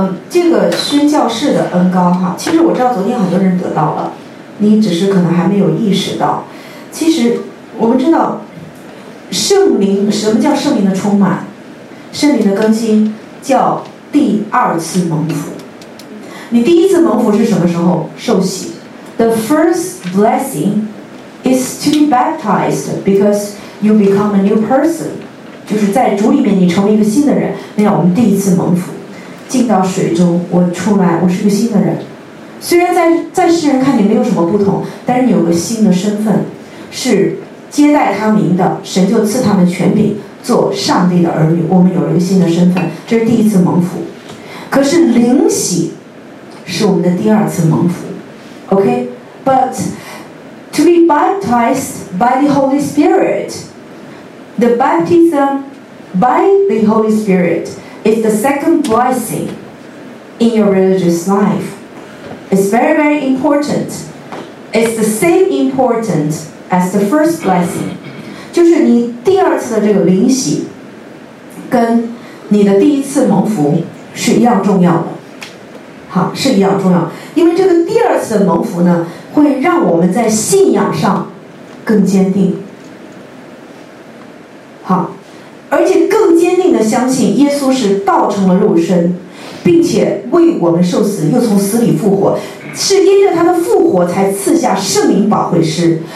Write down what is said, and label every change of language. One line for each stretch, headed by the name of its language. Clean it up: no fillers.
Chinese: 这个宣教士的恩膏哈，其实我知道昨天很多人得到了，你只是可能还没有意识到，其实我们知道圣灵，什么叫圣灵的充满？圣灵的更新叫第二次蒙福。你第一次蒙福是什么时候？受洗。
English: The first blessing is to be baptized because you become a new person, 就是在主里面你成为一个新的人。
Chinese: 那样我们第一次蒙福，进到水中，我出来，我是个新的人。虽然在世人看你没有什么不同，但是你有个新的身份，是接待他名的，神就赐他们权柄做上帝的儿女，我们有了一个新的身份，这是第一次蒙福。可是灵洗是我们的第二次蒙福。
English: OK, but to be baptized by the Holy Spirit, the baptism by the Holy Spirit is the second blessing in your religious life. It's very very important.
Chinese: It's the same importantas the first blessing, 就是你第二次的这个灵洗跟你的第一次蒙福是一样重要的。好，是一样重要，因为这个第二次的蒙福呢会让我们在信仰上更坚定，好，而且更坚定的相信耶稣是道成了肉身，并且为我们受死，又从死里复活，是因着他的复活才赐下圣灵保惠师。